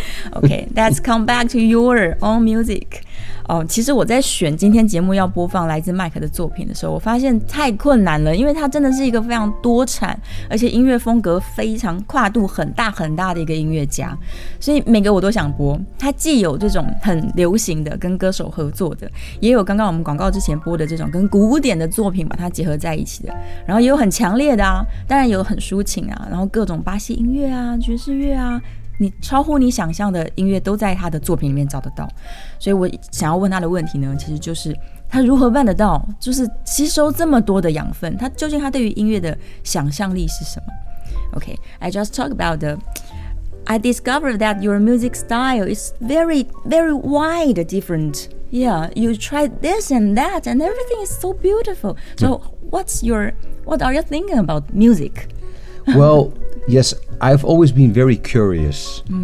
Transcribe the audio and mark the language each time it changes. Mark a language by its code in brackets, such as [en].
[en] OK Let's come back to your own music。 [zh] 哦，其实我在选今天节目要播放来自麦克的作品的时候，我发现太困难了，因为他真的是一个非常多产，而且音乐风格非常跨度很大很大的一个音乐家，所以每个我都想播。他既有这种很流行的跟歌手合作的，也有刚刚我们广告之前播的这种跟古典的作品把它结合在一起的，然后也有很强烈的啊，当然也有很抒情啊，然后各种巴西音乐啊，爵士乐啊，你超乎你想象的音乐都在他的作品里面找得到。所以我想要问他的问题呢，其实就是他如何办得到，就是吸收这么多的养分，他究竟他对于音乐的想象力是什么。 [en] OK, I just talk about the I discovered that your music style is very very wide different. Yeah, you try this and that and everything is so beautiful. So what are you thinking about music? Well, yes, I've always been very curious.